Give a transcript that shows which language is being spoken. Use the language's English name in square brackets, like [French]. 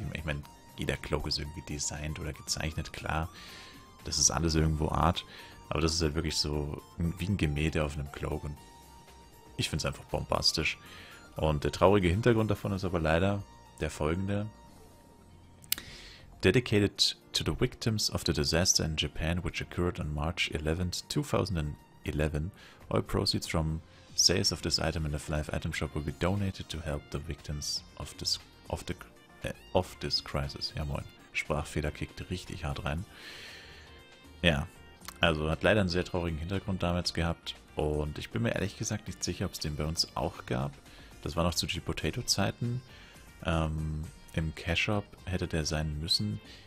[German] Ich meine, jeder Cloak ist irgendwie designt oder gezeichnet, klar, das ist alles irgendwo Art, aber das ist halt wirklich so wie ein Gemälde auf einem Cloak und ich finde es einfach bombastisch. Und der traurige Hintergrund davon ist aber leider der folgende. [English] Dedicated to the victims of the disaster in Japan, which occurred on March 11th, 2011, all proceeds from sales of this item in the Flife item shop will be donated to help the victims of this of this crisis. [German] Ja moin, Sprachfehler kickt richtig hart rein. Ja, also hat leider einen sehr traurigen Hintergrund damals gehabt und ich bin mir ehrlich gesagt nicht sicher, ob es den bei uns auch gab. Das war noch zu G-Potato-Zeiten. Im Cash-Shop hätte der sein müssen.